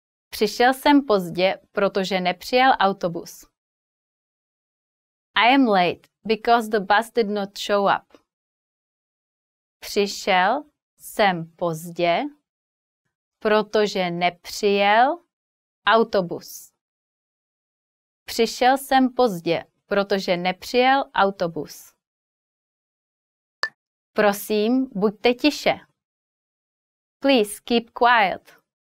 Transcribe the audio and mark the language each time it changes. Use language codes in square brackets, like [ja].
[cs] Přišel jsem pozdě, protože nepřijel autobus. [en] I am late because the bus did not show up. [cs] Přišel jsem pozdě, protože nepřijel autobus. Přišel jsem pozdě, protože nepřijel autobus. Prosím, buďte tiše. [en] Please keep quiet.